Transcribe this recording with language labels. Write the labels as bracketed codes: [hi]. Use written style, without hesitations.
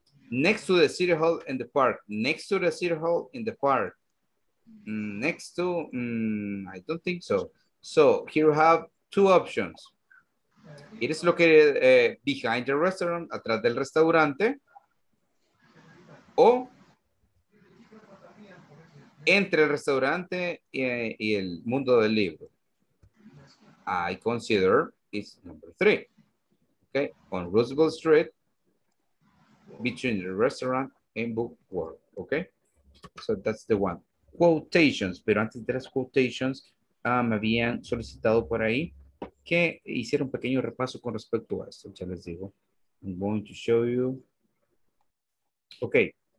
[en] Next to the City Hall and the park. Next to the City Hall in the park. Next to, I don't think so. So here you have two options. It is located behind the restaurant, [es] atrás del restaurante. O entre el restaurante y el mundo del libro. [en] I consider it's number three. Okay, on Roosevelt Street, between the restaurant and book world. Okay, so that's the one. [es] Quotations, pero antes de las quotations, me habían solicitado por ahí que hiciera un pequeño repaso con respecto a esto. Ya les digo, [en] I'm going to show you. [es] Okay.